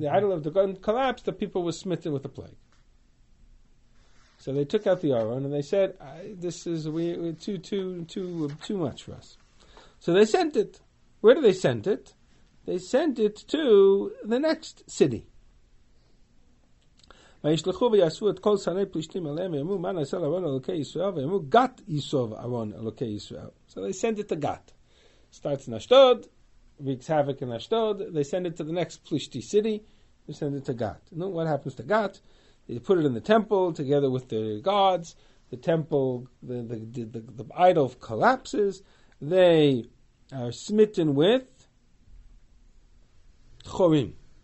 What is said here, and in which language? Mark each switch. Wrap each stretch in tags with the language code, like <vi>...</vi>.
<en>The idol of Dagon collapsed. The people were smitten with a plague. So they took out the Aaron and they said, "This is too much for us." So they sent it. Where do they send it? They sent it to the next city.</en> <he>וישלחו ויעשו את כל שני פלישתים אליהם ויאמרו מה נעשה לארון אלוקי ישראל ויאמרו גת יסוב ארון אלוקי ישראל.</he> <en>So they send it to Gat. Starts in Ashdod, wreaks havoc in Ashdod, they send it to the next Plishti city, they send it to Gat. And then what happens to Gat? They put it in the temple together with the gods, the temple, the idol collapses, they are smitten with Chorim.</en>